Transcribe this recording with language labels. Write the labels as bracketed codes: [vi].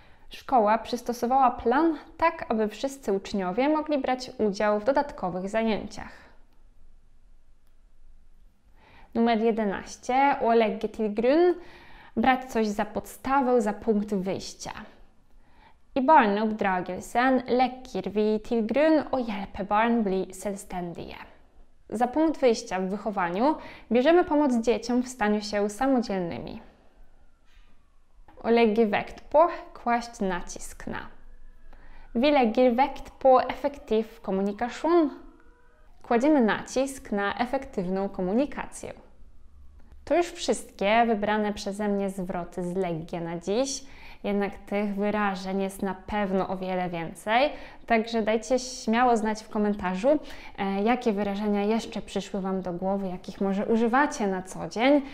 [pl] Szkoła przystosowała plan tak, aby wszyscy uczniowie mogli brać udział w dodatkowych zajęciach. Numer 11. Å legge til grunn, brać coś za podstawę, za punkt wyjścia. [no] I barneoppdragelsen legger vi til grunn og hjelper barn bli selvstendige. [pl] Za punkt wyjścia w wychowaniu bierzemy pomoc dzieciom w staniu się samodzielnymi. [sv] lägger vikt på kvast [pl] nacisk na. [sv] Vi lägger vikt på effektiv kommunikation. [pl] Kładziemy nacisk na efektywną komunikację. To już wszystkie wybrane przeze mnie zwroty z Legge na dziś, jednak tych wyrażeń jest na pewno o wiele więcej, także dajcie śmiało znać w komentarzu, jakie wyrażenia jeszcze przyszły Wam do głowy, jakich może używacie na co dzień.